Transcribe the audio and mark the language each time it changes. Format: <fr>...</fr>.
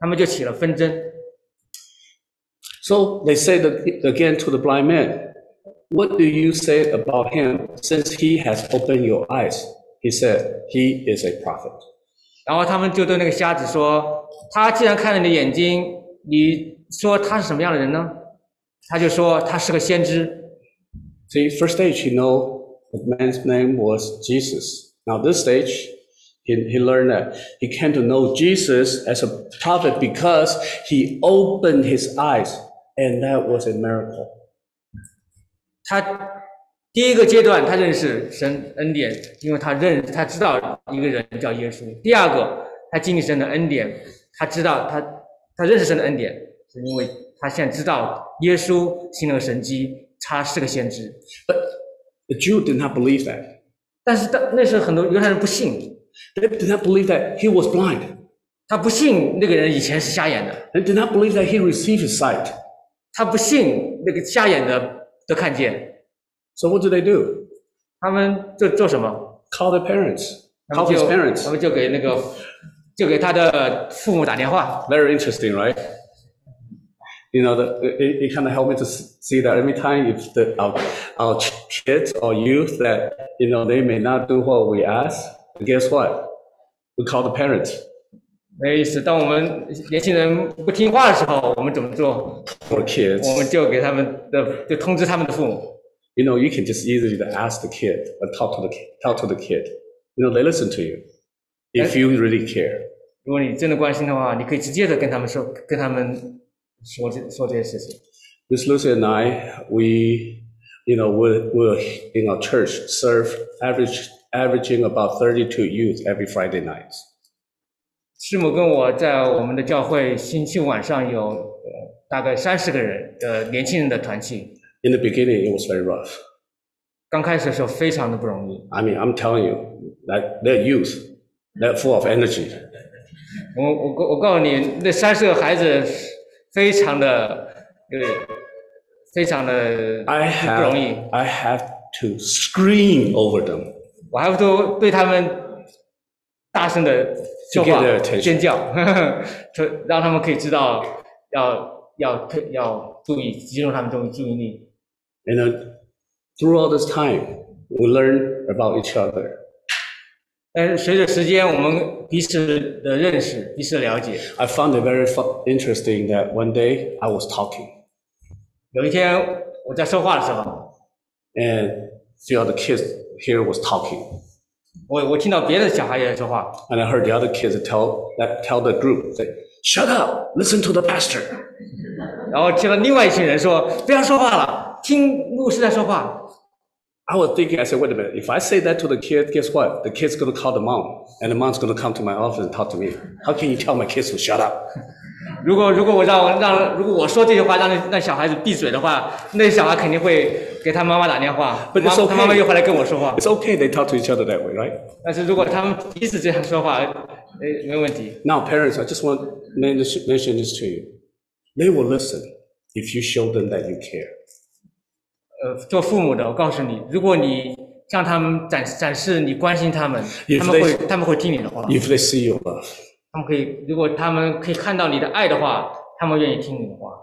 <zh>他们就起了纷争。</zh> <en>So they said again to the blind man, "What do you say about him? Since he has opened your eyes, he said he is a prophet."</en> <zh>然后他们就对那个瞎子说：“他既然看了你的眼睛，你说他是什么样的人呢？” 他就说：“他是个先知。”</zh> <en>See, first stage, he know the man's name was Jesus. Now this stage. He learned that he came to know Jesus as a prophet because he opened his eyes, and that was a miracle.</en> <zh>他第一个阶段他认识神恩典，因为他知道一个人叫耶稣。第二个，他经历神的恩典，他知道他认识神的恩典，是因为他现在知道耶稣行了神迹，他是个先知。</zh> <en>But the Jew did not believe that.</en> <zh>但是那时候很多犹太人不信。</zh> <en>They did not believe that he was blind.</en> <zh>他不信那个人以前是瞎眼的。</zh> <en>They did not believe that he received his sight.</en> <zh>他不信那个瞎眼的都看见。</zh> <en>So what do they do?</en> <zh>他们就做什么？</zh> <en>Call their parents. Call his parents.</en> <zh>他们就给那个，就给他的父母打电话。</zh> <en>Very interesting, right? You know, it kind of helped me to see that every time if our kids or youth that, you know, they may not do what we ask, guess what? We call the parents.</en> <zh>没意思，当我们年轻人不听话的时候，我们怎么做？</zh> <en>For kids.</en> <zh>我们就给他们的，就通知他们的父母。</zh> <en>You know, you can just easily ask the kid, or talk to the kid. You know, they listen to you. If you really care.</en> <zh>如果你真的关心的话，你可以直接的跟他们说，跟他们说这些事情。</zh> <en>Miss Lucy and I, we in our church serve averaging about 32 youth every Friday night.</en> <zh>师母跟我在我们的教会星期晚上有大概30个人的年轻人的团契。</zh> <en>In the beginning, it was very rough.</en> <zh>刚开始的时候非常的不容易。</zh> <en>I mean, I'm telling you, that they're youth, they're full of energy.</en> <zh>我告诉你，那三十个孩子。非常的，非常的不容易。</zh> <en>I have to scream over them.</en> <zh>我</zh> <en>have to</en> <zh>对他们大声的说话、尖叫，让他们可以知道要注意，集中他们的注意力。</zh> <en>And throughout this time, we learn about each other.</en> <zh>但随着时间，我们彼此的认识，彼此的了解。</zh> <en>I found it very interesting that one day I was talking.</en> <zh>有一天我在说话的时候。</zh> <en>And the other kids here was talking.</en> <zh>我听到别的小孩也在说话。</zh> <en>And I heard the other kids tell the group, say, shut up, listen to the pastor.</en> <zh>然后听到另外一群人说，不要说话了，听牧师在说话。</zh> <en>I was thinking, I said, wait a minute, if I say that to the kid, guess what? The kid's going to call the mom, and the mom's going to come to my office and talk to me. How can you tell my kids to shut up?</en> <zh>如果我说这些话让那小孩子闭嘴的话，那小孩肯定会给他妈妈打电话。</zh> <en>But it's okay.</en> <zh>他妈妈又回来跟我说话。</zh> <en>It's okay they talk to each other that way, right?</en> <zh>但是如果他们彼此这样说话，没问题。</zh> <en>Now, parents, I just want to mention this to you. They will listen if you show them that you care.</en> <zh>做父母的，我告诉你，如果你向他们展示你关心他们，</zh> <en>they,</en> <zh>他们会听你的话。</zh> <en>If they see your love,</en> <zh>他们可以，如果他们可以看到你的爱的话，他们愿意听你的话。</zh>